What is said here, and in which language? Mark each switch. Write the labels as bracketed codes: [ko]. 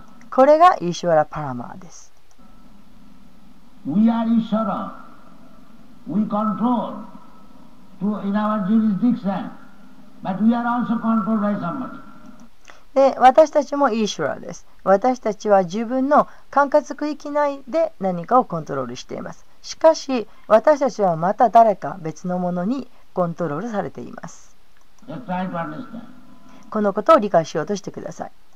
[ja] これがイシュワラ・パラマーです。 [en] We are Ishwara. We control to in our jurisdiction, but we are also controlled by somebody. [ja] で、私たちもイーシュラです。私たちは自分の管轄区域内で何かをコントロールしています。しかし私たちはまた誰か別のものにコントロールされています。このことを理解しようとしてください。